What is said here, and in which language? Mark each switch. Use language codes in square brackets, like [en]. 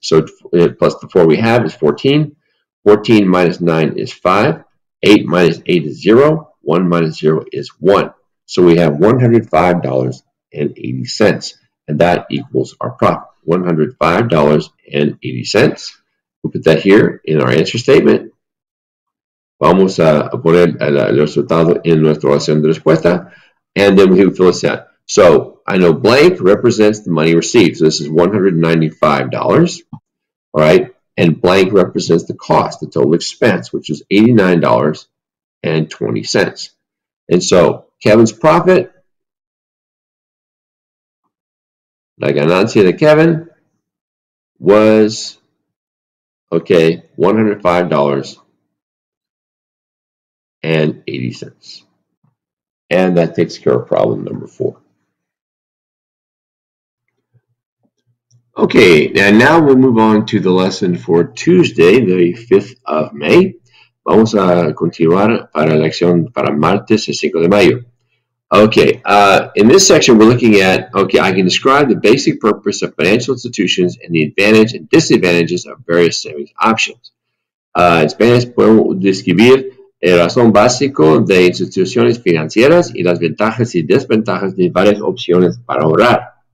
[en] So plus the 4 we have is 14. 14 minus 9 is 5. 8 minus 8 is 0. 1 minus 0 is 1. So we have $105.80. And that equals our profit, $105.80. We'll put that here in our answer statement. [es] Vamos a poner el resultado en nuestra oración de respuesta. [en] And then we can fill this out. So, I know blank represents the money received. So, this is $195. All right. And blank represents the cost, the total expense, which is $89.20. And so Kevin's profit, [es] la ganancia de Kevin, [en] was, okay, $105.80. And that takes care of problem number four. Okay, and now we'll move on to the lesson for Tuesday, the 5th of May. [es] Vamos a continuar para la lección para martes, el 5 de mayo. [en] Okay, in this section, we're looking at, okay, I can describe the basic purpose of financial institutions and the advantage and disadvantages of various savings options. [es] En Spanish, podemos describir el razón básico de instituciones financieras y las ventajas y desventajas de varias opciones para ahorrar.